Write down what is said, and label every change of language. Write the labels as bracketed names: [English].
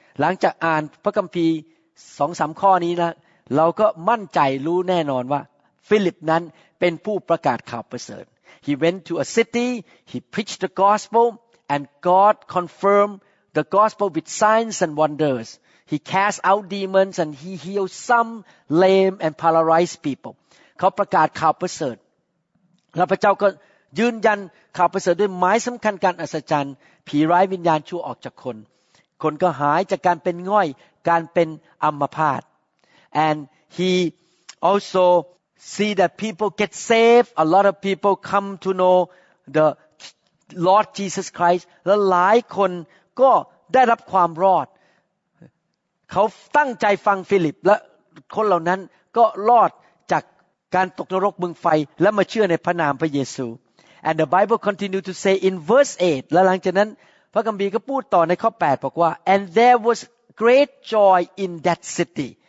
[Thai] หลังจากอ่านพระคัมภีร์ 2-3 ข้อนี้นะเราก็มั่นใจรู้แน่นอนว่าฟิลิปนั้นเป็นผู้ประกาศข่าวประเสริฐ [English] He went to a city, he preached the gospel, and God confirmed the gospel with signs and wonders. He cast out demons and he healed some lame and paralyzed people. [Thai] เขาประกาศข่าวประเสริฐแล้วพระเจ้าก็ยืนยันข่าวประเสริฐด้วยหมายสำคัญการอัศจรรย์ผีร้ายวิญญาณชั่วออกจากคนคนก็หายจากการเป็นง่อยการเป็นอัมพาต [English] And he also see that people get saved. A lot of people come to know the Lord Jesus Christ. [Thai] และหลายคนก็ได้รับความรอดเขาตั้งใจฟังฟิลิปและคนเหล่านั้นก็รอดจากการตกนรกบึงไฟและมาเชื่อในพระนามพระเยซู [English] And the Bible continued to say in verse 8 [Thai] และหลังจากนั้นพระคัมภีร์ก็พูดต่อในข้อ8บอกว่า [English] And there was great joy in that city